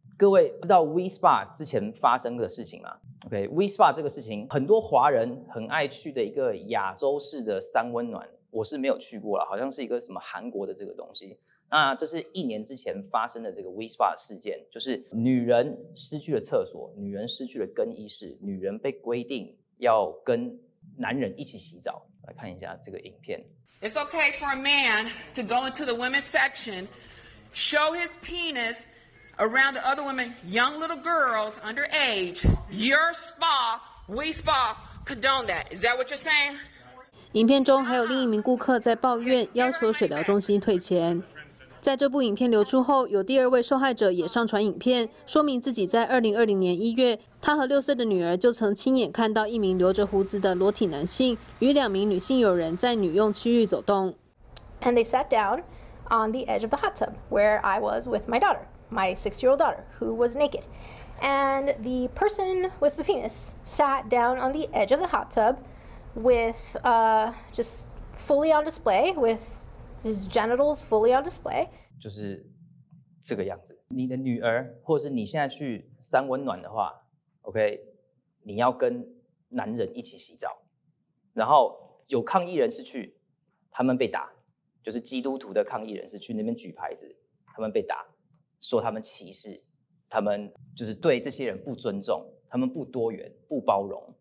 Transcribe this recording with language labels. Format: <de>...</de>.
<zh>各位知道 V Spa 之前发生的事情吗 ？OK， V Spa 这个事情，很多华人很爱去的一个亚洲式的三温暖。我是没有去过了，好像是一个什么韩国的这个东西。那这是一年之前发生的这个 V Spa 事件，就是女人失去了厕所，女人失去了更衣室，女人被规定要跟男人一起洗澡。来看一下这个影片。</zh> <en>It's okay for a man to go into the women's section, show his penis around the other women, young little girls under age. Your spa, We Spa, condone that. Is that what you're saying?</en> <zh>影片中还有另一名顾客在抱怨，要求水疗中心退钱。在这部影片流出后，有第二位受害者也上传影片，说明自己在2020年1月，他和6岁的女儿就曾亲眼看到一名留着胡子的裸体男性与2名女性友人在女用区域走动。</zh> <en>And they sat down on the edge of the hot tub where I was with my daughter, my 6-year-old daughter, who was naked. And the person with the penis sat down on the edge of the hot tub. With just fully on display, with his genitals fully on display,</en> <zh>就是这个样子。你的女儿，或是你现在去三温暖的话 ，OK， 你要跟男人一起洗澡。然后有抗议人士去，他们被打，就是基督徒的抗议人士去那边举牌子，他们被打，说他们歧视，他们就是对这些人不尊重，他们不多元，不包容。</zh>